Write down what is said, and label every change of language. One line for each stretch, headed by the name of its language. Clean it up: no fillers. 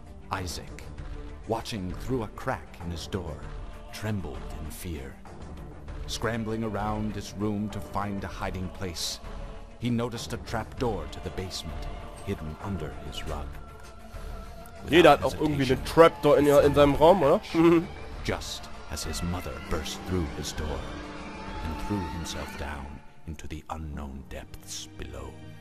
English: Isaac, watching through a crack in his door, trembled in fear. Scrambling around his room to find a hiding place, he noticed a trap door to the basement hidden under his rug.
German: Jeder hat auch irgendwie eine Trapdoor in seinem Raum, oder?
English: Just as his mother burst through his door and threw himself down into the unknown depths below.